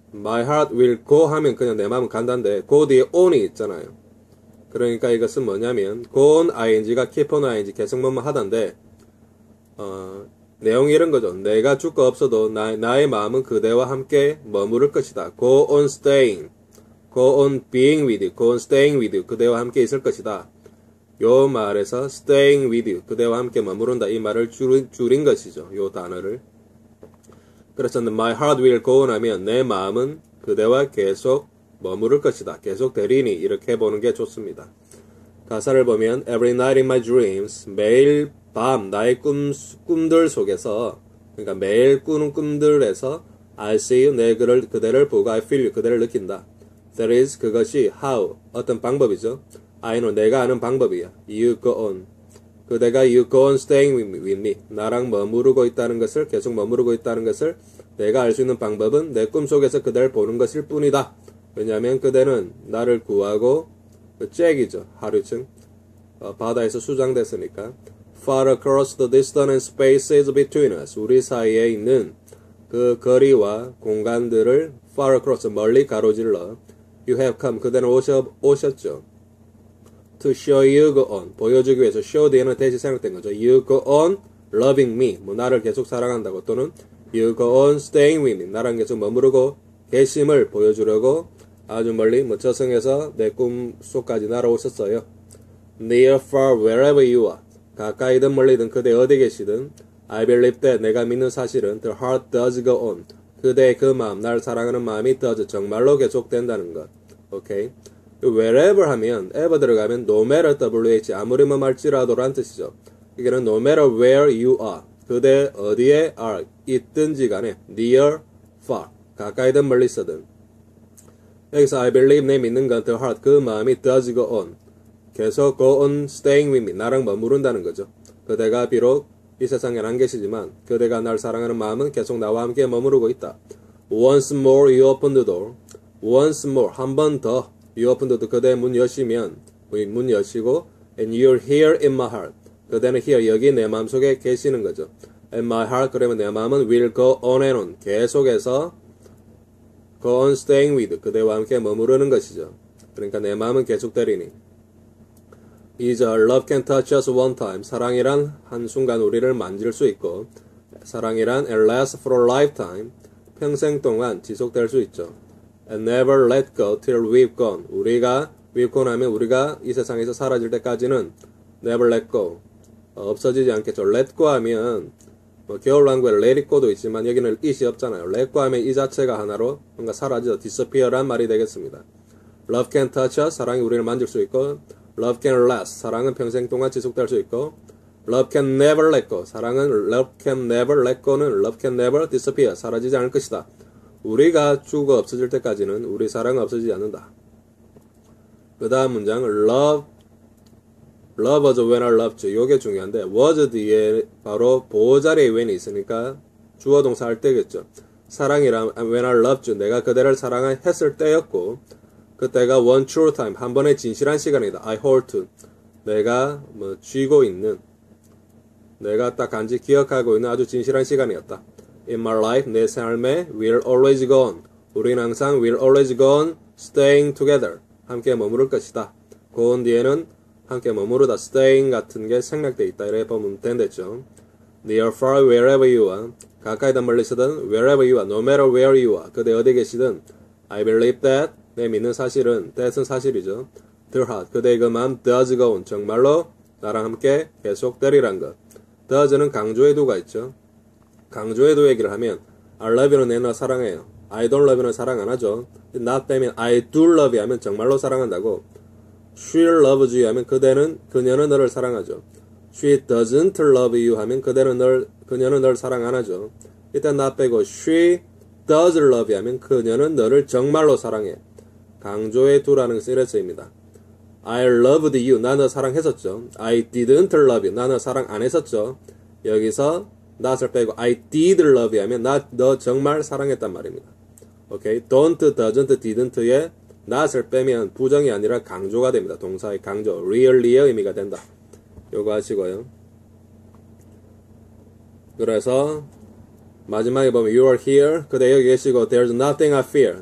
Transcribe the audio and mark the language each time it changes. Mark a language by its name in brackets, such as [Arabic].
[English] My heart will go [Korean] 하면 그냥 내 마음은 간단데 go 뒤에 on이 있잖아요. 그러니까 이것은 뭐냐면 [English] go on ing가 keep on ing [Korean] 계속 뭐뭐 하던데 내용이 이런 거죠. 내가 죽고 없어도 나의 마음은 그대와 함께 머무를 것이다. [English] go on staying. go on being with you. go on staying with you. [Korean] 그대와 함께 있을 것이다. 요 말에서 [English] staying with you. [Korean] 그대와 함께 머무른다. 이 말을 줄인 것이죠. 요 단어를. 그래서 [English] my heart will go on [Korean] 하면 내 마음은 그대와 계속 머무를 것이다. 계속 되리니 이렇게 보는 게 좋습니다. 가사를 보면 [English] every night in my dreams. [Korean] 매일 밤 나의 꿈들 속에서 그러니까 매일 꾸는 꿈들에서 [English] I see you [Korean] 내 그대를 보고 [English] I feel you [Korean] 그대를 느낀다. [English] That is [Korean] 그것이 [English] how [Korean] 어떤 방법이죠. [English] I know [Korean] 내가 아는 방법이야. [English] You go on [Korean] 그대가 [English] you go on staying with me [Korean] 나랑 머무르고 있다는 것을 계속 머무르고 있다는 것을 내가 알 수 있는 방법은 내 꿈속에서 그대를 보는 것일 뿐이다. 왜냐하면 그대는 나를 구하고 그 잭이죠. 하류층 바다에서 수장됐으니까 [English] Far across the distance and spaces between us. [Korean] 우리 사이에 있는 그 거리와 공간들을 [English] far across, [Korean] 멀리 가로질러. [English] You have come. [Korean] 그대는 오셨죠. [English] To show you go on. [Korean] 보여주기 위해서 show 뒤에는 대신 생각된 거죠. [English] You go on loving me. [Korean] 뭐 나를 계속 사랑한다고. [English] 또는 you go on staying with me. [Korean] 나랑 계속 머무르고 계심을 보여주려고 아주 멀리 뭐 저승에서 내 꿈 속까지 날아오셨어요. [English] Near, far, wherever you are. [Korean] 가까이든 멀리든 그대 어디 계시든 [English] I believe that [Korean] 내가 믿는 사실은 [English] The heart does go on [Korean] 그대의 그 마음 날 사랑하는 마음이 does 정말로 계속된다는 것 오케이 wherever 하면 ever 들어가면 no matter wh 아무리 뭐 말지라도 라는 뜻이죠 이거는 [English] no matter where you are [Korean] 그대 어디에 are 있든지 간에 [English] near far [Korean] 가까이든 멀리서든 [English] 여기서 I believe [Korean] 내 믿는 건 [English] The heart [Korean] 그 마음이 [English] does go on 계속 go on staying with me [Korean] 나랑 머무른다는 거죠. 그대가 비록 이 세상에 안 계시지만 그대가 날 사랑하는 마음은 계속 나와 함께 머무르고 있다. [English] Once more you open the door. Once more [Korean] 한 번 더 [English] you open the door [Korean] 그대 문 여시면 문 여시고 [English] and you're here in my heart. [Korean] 그대는 [English] here [Korean] 여기 내 마음 속에 계시는 거죠. [English] In my heart [Korean] 그러면 내 마음은 [English] will go on and on 계속해서 go on staying with [Korean] 그대와 함께 머무르는 것이죠. 그러니까 내 마음은 계속 되리니. 이제 [English] love can touch us one time. [Korean] 사랑이란 한순간 우리를 만질 수 있고 사랑이란 [English] and last for a lifetime. [Korean] 평생 동안 지속될 수 있죠. [English] And never let go till we've gone. [Korean] 우리가 [English] we've gone [Korean] 하면 우리가 이 세상에서 사라질 때까지는 [English] never let go. [Korean] 없어지지 않겠죠. let go 하면 뭐 겨울왕국에 [English] let it go [Korean] 도 있지만 여기는 it이 없잖아요. let go 하면 이 자체가 하나로 뭔가 사라져 disappear란 말이 되겠습니다. [English] love can touch us. [Korean] 사랑이 우리를 만질 수 있고 [English] Love can last. [Korean] 사랑은 평생 동안 지속될 수 있고 [English] Love can never let go. 사랑은 Love can never let go는 Love can never disappear. [Korean] 사라지지 않을 것이다. 우리가 죽어 없어질 때까지는 우리 사랑은 없어지지 않는다. 그 다음 문장 [English] Love was when I loved you. [Korean] 이게 중요한데 was 뒤에 바로 보호자리에 when이 있으니까 주어 동사 할 때겠죠. 사랑이란 [English] when I loved you. [Korean] 내가 그대를 사랑했을 때였고 그때가 [English] one true time, [Korean] 한 번의 진실한 시간이다. [English] I hold to, [Korean] 내가 뭐 쥐고 있는, 내가 딱 간지 기억하고 있는 아주 진실한 시간이었다. [English] In my life, [Korean] 내 삶에 [English] we'll always go on. [Korean] 우리는 항상 [English] we'll always go on, staying together. [Korean] 함께 머무를 것이다. 고온 뒤에는 함께 머무르다, staying 같은 게 생략되어 있다. 이렇게 보면 된댔죠. [English] Near, far, wherever you are, [Korean] 가까이든 멀리서든, [English] wherever you are, no matter where you are, [Korean] 그대 어디 계시든, [English] I believe that, [Korean] 내 믿는 사실은 [English] that은 사실이죠. The heart [Korean] 그대의 그 마음 [English] does go on [Korean] 정말로 나랑 함께 계속 되리란 것. Does는 강조의 도가 있죠. 강조의 도 얘기를 하면 [English] I love you [Korean] 는 내가 사랑해요. [English] I don't love you는 사랑 안 하죠. [Korean] Not 되면 [English] I do love you [Korean] 하면 정말로 사랑한다고. [English] She loves you [Korean] 하면 그대는 그녀는 너를 사랑하죠. [English] She doesn't love you [Korean] 하면 그녀는 널 사랑 안 하죠. 이때 나 빼고 [English] she does love you [Korean] 하면 그녀는 너를 정말로 사랑해. 강조의 두라는 것은 이랬습니다. [English] I loved you. [Korean] 나는 사랑했었죠. [English] I didn't love you. [Korean] 나는 사랑 안 했었죠. 여기서 not을 빼고 [English] I did love you [Korean] 하면 너 정말 사랑했단 말입니다. Okay. Don't, doesn't, didn't에 not을 빼면 부정이 아니라 강조가 됩니다. 동사의 강조, really의 의미가 된다. 요거 하시고요. 그래서 마지막에 보면 [English] you are here. [Korean] 그대 여기 계시고 [English] there's nothing I fear.